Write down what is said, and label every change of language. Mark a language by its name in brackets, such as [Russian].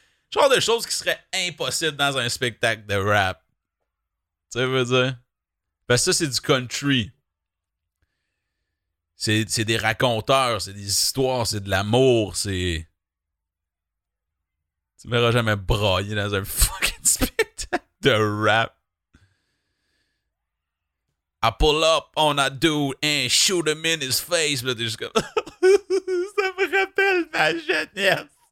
[French] Genre de choses qui seraient impossibles dans un spectacle de rap. Tu sais ce que je veux dire? Parce que ça, c'est du country. C'est des raconteurs, c'est des histoires, c'est de l'amour, c'est... Tu ne verras jamais brailler dans un fucking spectacle de rap. [English] I pull up on a dude and shoot him in his face. [French] Là, t'es juste comme... Ça me rappelle ma jeunesse.